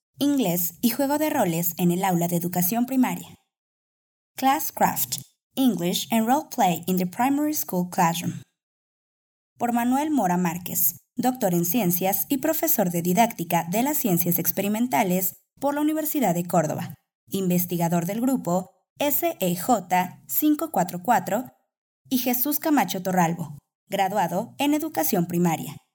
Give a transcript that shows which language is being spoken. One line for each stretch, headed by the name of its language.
Spanish: Inglés y juego de roles en el aula de educación primaria.
English: Classcraft. English and Role Play in the Primary School Classroom.
Spanish: Por Manuel Mora Márquez, doctor en ciencias y profesor de didáctica de las ciencias experimentales por la Universidad de Córdoba, investigador del grupo SEJ544 y Jesús Camacho Torralbo, graduado en educación primaria.